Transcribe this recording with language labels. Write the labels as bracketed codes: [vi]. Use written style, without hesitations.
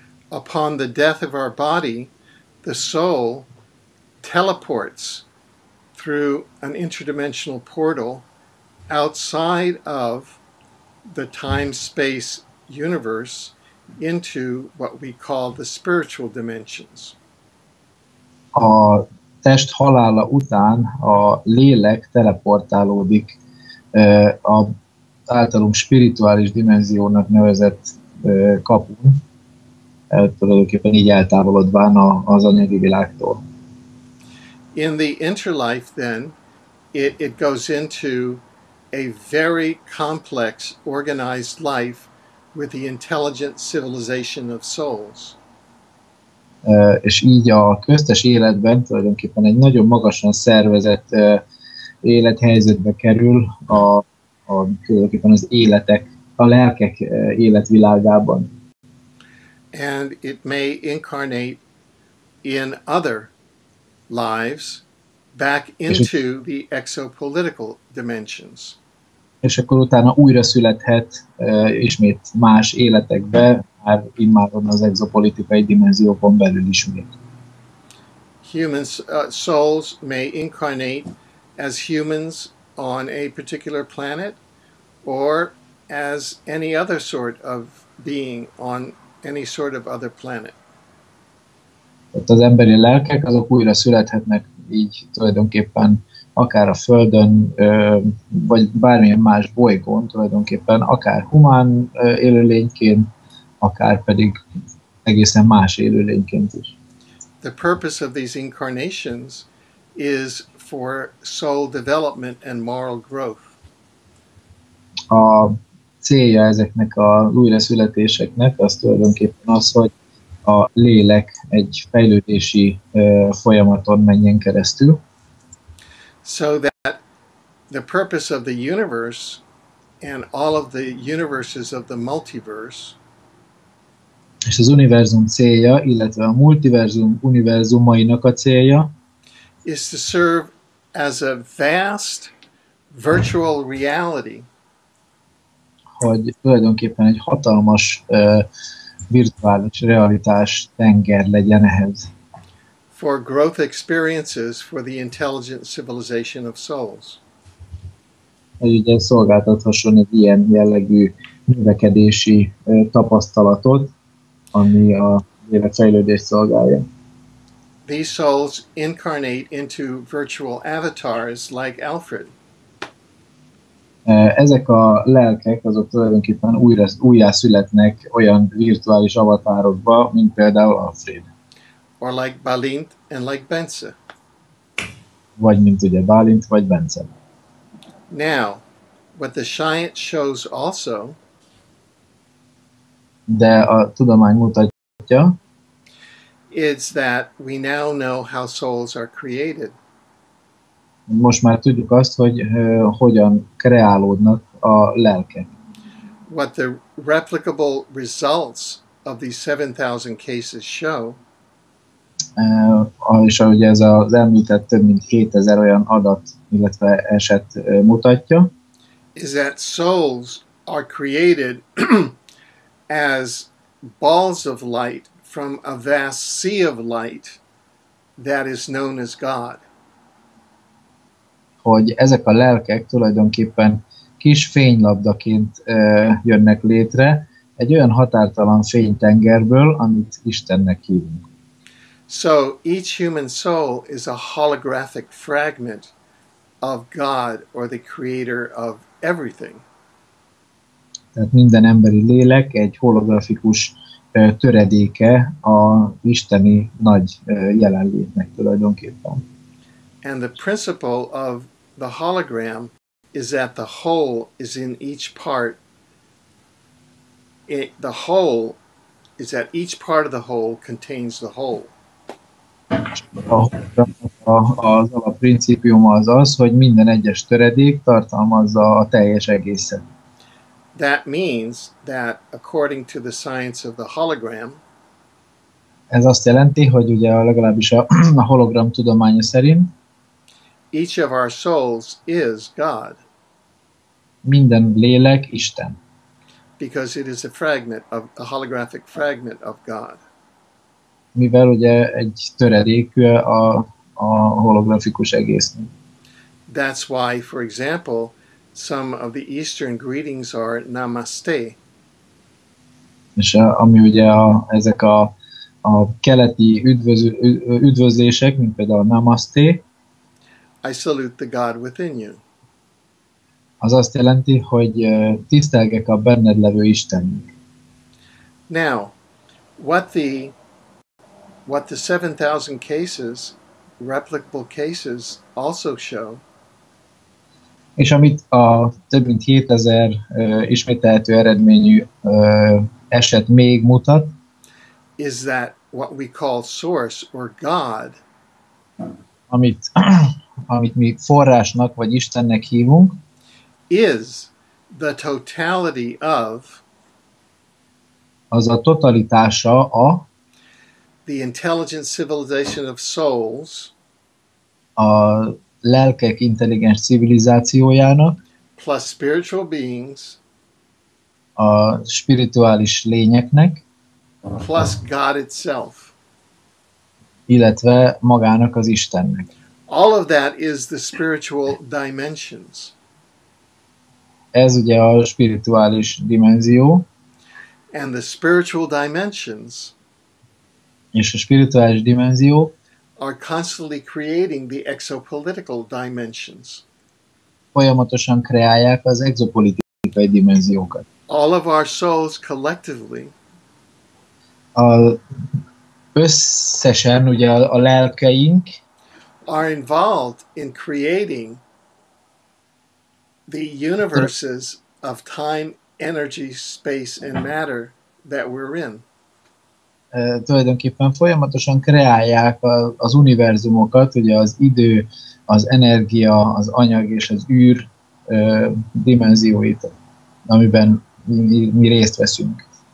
[en] Upon the death of our body, the soul teleports through an interdimensional portal outside of the time-space universe into what we call the spiritual dimensions. [hu] A test halála után a lélek teleportálódik az általunk spirituális dimenziónak nevezett kapun, tulajdonképpen így eltávolodván az anyagi világtól. [en] In the interlife, then, it goes into a very complex, organized life with the intelligent civilization of souls. [hu] És így a köztes életben tulajdonképpen egy nagyon magasan szervezett élethelyzetbe kerül a tulajdonképpen az életek, a lelkek életvilágában. [en] And it may incarnate in other lives back into the exopolitical dimensions. [hu] És akkor utána újra születhet ismét más életekbe, már immáron az exopolitikai dimenziókon belül ismét. [en] Humans souls may incarnate as humans on a particular planet or as any other sort of being on any sort of other planet. [hu] Tehát az emberi lelkek azok újra születhetnek így tulajdonképpen akár a Földön, vagy bármilyen más bolygón tulajdonképpen, akár humán élőlényként, akár pedig egészen más élőlényként is. [en] The purpose of these incarnations is for soul development and moral growth. [hu] A célja ezeknek a újraszületéseknek az tulajdonképpen az, hogy a lélek egy fejlődési folyamaton menjen keresztül. [en] So that the purpose of the universe and all of the universes of the multiverse. [hu] És az univerzum célja, illetve a multiverzum univerzumainak a célja, [en] is to serve as a vast virtual reality. [hu] Hogy tulajdonképpen egy hatalmas virtuális realitás tenger legyen ehhez. [en] For growth experiences for the intelligent civilization of souls. [hu] Hogy ugye szolgáltathasson egy ilyen jellegű növekedési tapasztalatot, ami a lélek fejlődést szolgálja. [en] These souls incarnate into virtual avatars like Alfred. [hu] Ezek a lelkek azok tulajdonképpen újjá születnek olyan virtuális avatárokba, mint például Alfred. [en] Or like Balint and like Bence. [hu] Vagy mint ugye Balint vagy Bence. [en] Now, what the science shows also, [hu] de a tudomány mutatja, [en] is that we now know how souls are created. [hu] Most már tudjuk azt, hogy hogyan kreálódnak a lelkek. [en] What the replicable results of these 7,000 cases show. [hu] És ahogy ez az említett több mint 7000 olyan adat, illetve eset mutatja. [en] Is that souls are created as balls of light from a vast sea of light that is known as God. [hu] Hogy ezek a lelkek tulajdonképpen kis fénylabdaként jönnek létre egy olyan határtalan fénytengerből, amit Istennek hívunk. [en] So each human soul is a holographic fragment of God or the creator of everything. [hu] Tehát minden emberi lélek egy holografikus töredéke a isteni nagy jelenlétnek tulajdonképpen. [en] And the principle of the hologram is that the whole is in each part. The whole is that each part of the whole contains the whole. [hu] Az alapprincipium az az, hogy minden egyes töredék tartalmazza a teljes egészet. [en] That means that according to the science of the hologram, [hu] ez azt jelenti, hogy ugye legalábbis a hologram tudománya szerint, [en] each of our souls is God. [hu] Minden lélek Isten. [en] Because it is a fragment of a holographic fragment of God. [hu] Mivel ugye egy töredékű a holografikus egésznek. [en] That's why, for example, some of the Eastern greetings are namaste. [hu] És ami ugye ezek a keleti üdvözlések, mint például namaste. [en] I salute the God within you. [hu] Az azt jelenti, hogy tisztelgek a benned levő Istennek. [en] Now, what the 7,000 cases, replicable cases also show. [hu] És amit a több mint 7000 ismételhető eredményű eset még mutat, [en] is that what we call source or God, [hu] amit mi forrásnak vagy Istennek hívunk, [en] is the totality of, [hu] az a totalitása a [en] the intelligent civilization of souls, [hu] a lelkek intelligens civilizációjának, [en] plus spiritual beings, [hu] a spirituális lényeknek, [en] plus God itself, [hu] illetve magának az Istennek. [en] All of that is the spiritual dimensions. [hu] Ez ugye a spirituális dimenzió. [en] And the spiritual dimensions, [hu] és a spirituális dimenzió, [en] are constantly creating the exopolitical dimensions. [hu] Folyamatosan kreálják az exopolitikai dimenziókat. [en] All of our souls collectively, [hu] összesen ugye a lelkeink, [en] are involved in creating the universes of time, energy, space and matter that we're in. [hu] Tulajdonképpen folyamatosan kreálják az univerzumokat, ugye az idő, az energia, az anyag és az űr dimenzióit, amiben mi részt veszünk.